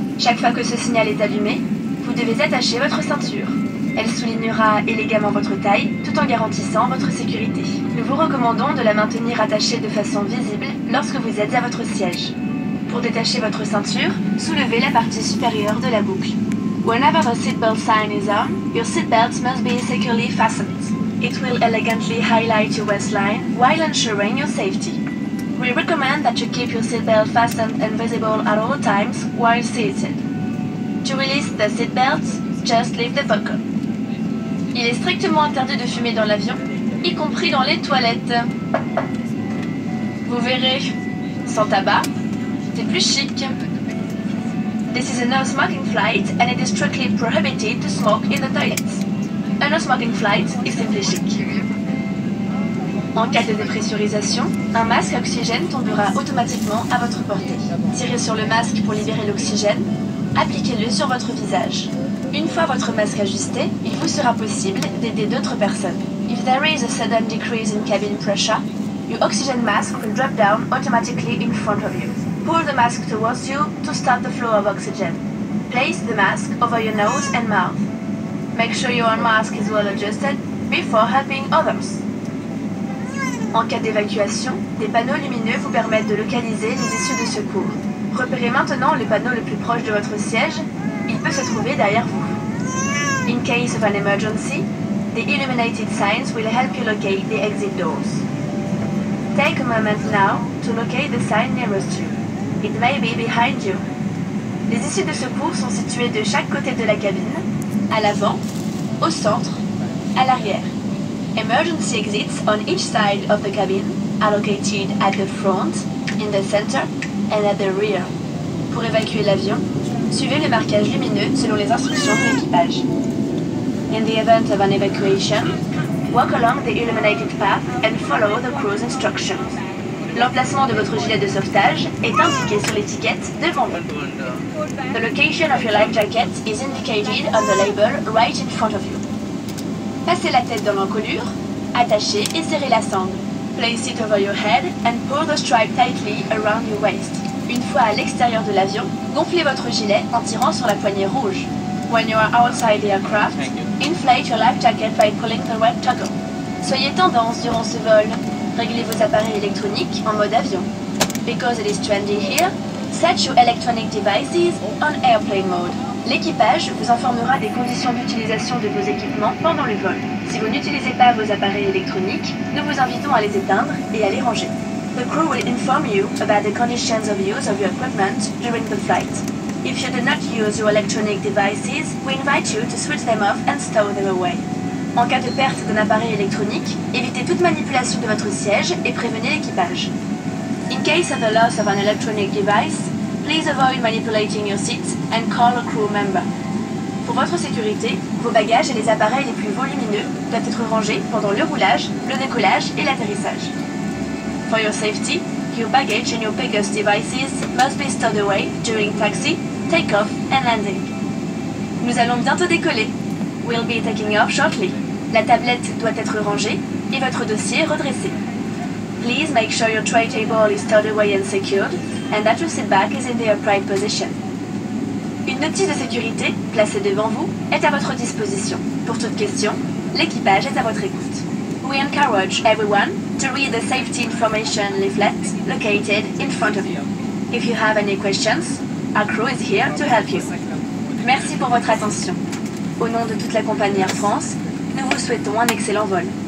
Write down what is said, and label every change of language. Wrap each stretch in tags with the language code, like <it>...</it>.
<fr>Chaque fois que ce signal est allumé, vous devez attacher votre ceinture. Elle soulignera élégamment votre taille tout en garantissant votre sécurité. Nous vous recommandons de la maintenir attachée de façon visible lorsque vous êtes à votre siège. Pour détacher votre ceinture, soulevez la partie supérieure de la boucle.</fr> <en>Whenever the seatbelt sign is on, your seatbelt must be securely fastened. It will elegantly highlight your waistline while ensuring your safety. We recommend that you keep your seatbelt fastened and visible at all times while seated. To release the seatbelt, just leave the buckle.</en> <fr>Il est strictement interdit de fumer dans l'avion, y compris dans les toilettes. Vous verrez, sans tabac, c'est plus chic.</fr> <en>This is a no-smoking flight and it is strictly prohibited to smoke in the toilets. A no-smoking flight is simply chic.</en> <fr>En cas de dépressurisation, un masque à oxygène tombera automatiquement à votre portée. Tirez sur le masque pour libérer l'oxygène, appliquez-le sur votre visage. Une fois votre masque ajusté, il vous sera possible d'aider d'autres personnes.</fr> <en>If there is a sudden decrease in cabin pressure, your oxygen mask will drop down automatically in front of you. Pull the mask towards you to start the flow of oxygen. Place the mask over your nose and mouth. Make sure your own mask is well adjusted before helping others.</en> <fr>En cas d'évacuation, des panneaux lumineux vous permettent de localiser les issues de secours. Repérez maintenant le panneau le plus proche de votre siège. Il peut se trouver derrière vous.</fr> <en>In case of an emergency, the illuminated signs will help you locate the exit doors. Take a moment now to locate the sign nearest you. It may be behind you.</en> <fr>Les issues de secours sont situées de chaque côté de la cabine, à l'avant, au centre, à l'arrière.</fr> <en>Emergency exits on each side of the cabin are located at the front, in the center, and at the rear.</en> <fr>Pour évacuer l'avion, suivez les marquages lumineux selon les instructions de l'équipage.</fr> <en>In the event of an evacuation, walk along the illuminated path and follow the crew's instructions.</en> <fr>L'emplacement de votre gilet de sauvetage est indiqué sur l'étiquette devant vous.</fr> <en>The location of your life jacket is indicated on the label right in front of you.</en> <fr>Passez la tête dans l'encolure, attachez et serrez la sangle.</fr> <en>Place it over your head and pull the strap tightly around your waist.</en> <fr>Une fois à l'extérieur de l'avion, gonflez votre gilet en tirant sur la poignée rouge.</fr> <en>When you are outside the aircraft, inflate your life jacket by pulling the red toggle.</en> <fr>Soyez tendance durant ce vol. Réglez vos appareils électroniques en mode avion.</fr> <en>Because it is trendy here, set your electronic devices on airplane mode.</en> <fr>L'équipage vous informera des conditions d'utilisation de vos équipements pendant le vol. Si vous n'utilisez pas vos appareils électroniques, nous vous invitons à les éteindre et à les ranger.</fr> <en>The crew will inform you about the conditions of use of your equipment during the flight. If you do not use your electronic devices, we invite you to switch them off and stow them away.</en> <fr>En cas de perte d'un appareil électronique, évitez toute manipulation de votre siège et prévenez l'équipage.</fr> <en>In case of the loss of an electronic device, please avoid manipulating your seat and call a crew member.</en> <fr>Pour votre sécurité, vos bagages et les appareils les plus volumineux doivent être rangés pendant le roulage, le décollage et l'atterrissage.</fr> <en>For your safety, your baggage and your biggest devices must be stowed away during taxi, takeoff and landing.</en> <fr>Nous allons bientôt décoller.</fr> <en>We'll be taking off shortly.</en> <fr>La tablette doit être rangée et votre dossier redressé.</fr> <en>Please make sure your tray table is stowed away and secured and that your seat back is in the upright position.</en> <fr>Une notice de sécurité placée devant vous est à votre disposition. Pour toute question, l'équipage est à votre écoute.</fr> <en>We encourage everyone to read the safety information leaflet located in front of you. If you have any questions, our crew is here to help you.</en> <fr>Merci pour votre attention. Au nom de toute la compagnie Air France, nous vous souhaitons un excellent vol.</fr>